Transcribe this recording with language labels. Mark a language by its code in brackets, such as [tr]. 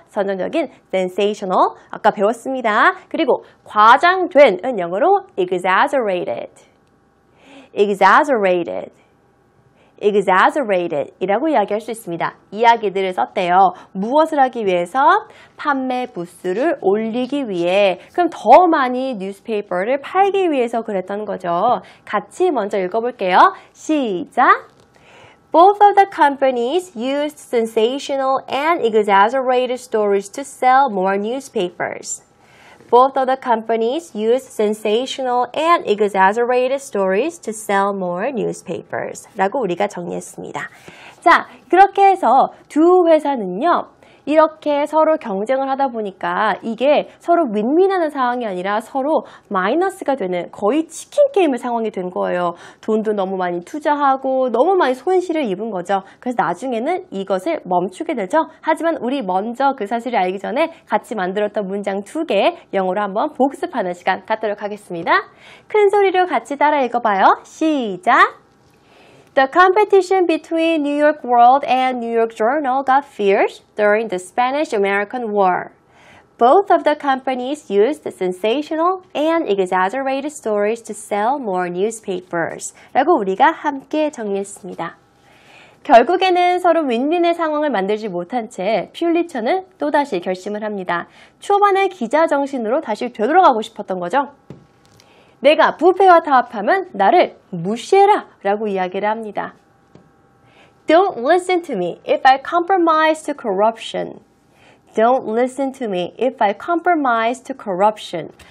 [ko] 선정적인, sensational, 아까 배웠습니다. 그리고 과장된은 영어로 exaggerated, exaggerated, exaggerated 이라고 이야기할 수 있습니다. 이야기들을 썼대요. 무엇을 하기 위해서? 판매 부수를 올리기 위해. 그럼 더 많이 뉴스페이퍼를 팔기 위해서 그랬던 거죠. 같이 먼저 읽어볼게요. 시작! [en] Both of the companies used sensational and exaggerated stories to sell more newspapers. Both of the companies used sensational and exaggerated stories to sell more newspapers. [ko] 라고 우리가 정리했습니다. 자, 그렇게 해서 두 회사는요, 이렇게 서로 경쟁을 하다 보니까 이게 서로 윈윈하는 상황이 아니라 서로 마이너스가 되는 거의 치킨게임의 상황이 된 거예요. 돈도 너무 많이 투자하고 너무 많이 손실을 입은 거죠. 그래서 나중에는 이것을 멈추게 되죠. 하지만 우리 먼저 그 사실을 알기 전에 같이 만들었던 문장 두 개 영어로 한번 복습하는 시간 갖도록 하겠습니다. 큰 소리로 같이 따라 읽어봐요. 시작! [en] The competition between New York World and New York Journal got fierce during the Spanish-American War. Both of the companies used sensational and exaggerated stories to sell more newspapers. [ko] 라고 우리가 함께 정리했습니다. 결국에는 서로 윈윈의 상황을 만들지 못한 채 퓰리처는 또다시 결심을 합니다. 초반의 기자 정신으로 다시 되돌아가고 싶었던 거죠. 내가 부패와 타협하면 나를 무시해라 라고 이야기를 합니다. [en] Don't listen to me if I compromise to corruption. Don't listen to me if I compromise to corruption.